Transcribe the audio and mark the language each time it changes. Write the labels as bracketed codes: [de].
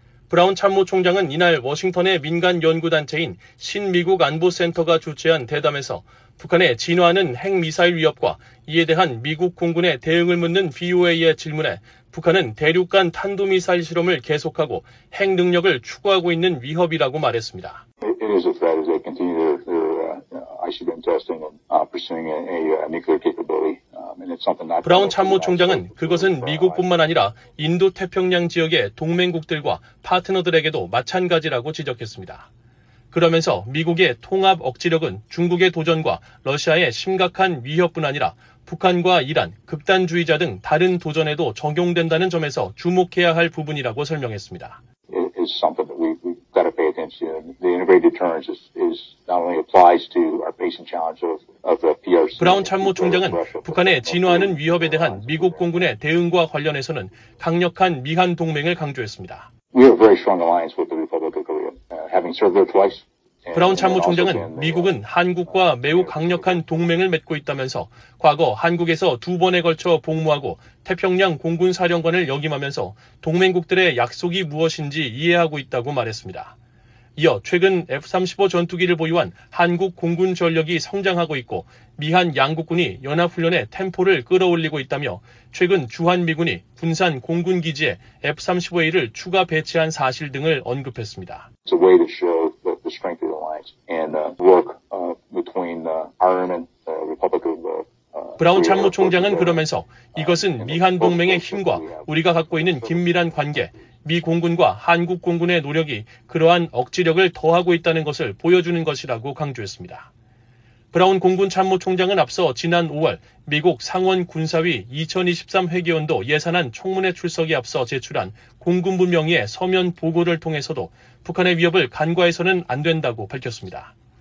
[ko] 브라운 참모총장은 이날 워싱턴의 민간 연구단체인 신미국 안보센터가 주최한 대담에서 북한의 진화하는 핵미사일 위협과 이에 대한 미국 공군의 대응을 묻는 VOA의 질문에 북한은 대륙간 탄도미사일 실험을 계속하고 핵 능력을 추구하고 있는 위협이라고 말했습니다. [en] It is a threat as they continue ICBM testing and pursuing a nuclear capability. [ko] 브라운 참모총장은 그것은 미국뿐만 아니라 인도태평양 지역의 동맹국들과 파트너들에게도 마찬가지라고 지적했습니다. 그러면서 미국의 통합 억지력은 중국의 도전과 러시아의 심각한 위협뿐 아니라 북한과 이란, 극단주의자 등 다른 도전에도 적용된다는 점에서 주목해야 할 부분이라고 설명했습니다. [en] It's something that we've got to pay attention to. The integrated deterrence is not only applies to our basic challenge of the PRC. [ko] 브라운 참모총장은 북한의 진화하는 위협에 대한 미국 공군의 대응과 관련해서는 강력한 미한 동맹을 강조했습니다. [en] We have a very strong alliance with the Republic of Korea, having served there twice. [ko] 브라운 참모총장은 미국은 한국과 매우 강력한 동맹을 맺고 있다면서 과거 한국에서 두 번에 걸쳐 복무하고 태평양 공군사령관을 역임하면서 동맹국들의 약속이 무엇인지 이해하고 있다고 말했습니다. 이어 최근 F-35 전투기를 보유한 한국 공군 전력이 성장하고 있고 미한 양국군이 연합훈련의 템포를 끌어올리고 있다며 최근 주한미군이 군산 공군기지에 F-35A를 추가 배치한 사실 등을 언급했습니다. [en] It's a way to show the strength of the alliance and work between our and the Republic of the [ko] 브라운 참모총장은 그러면서 이것은 미한 동맹의 힘과 우리가 갖고 있는 긴밀한 관계, 미 공군과 한국 공군의 노력이 그러한 억지력을 더하고 있다는 것을 보여주는 것이라고 강조했습니다. 브라운 공군 참모총장은 앞서 지난 5월 미국 상원 군사위 2023 회기연도 예산안 총문회 출석에 앞서 제출한 공군부 명의의 서면 보고를 통해서도 북한의 위협을 간과해서는 안 된다고 밝혔습니다.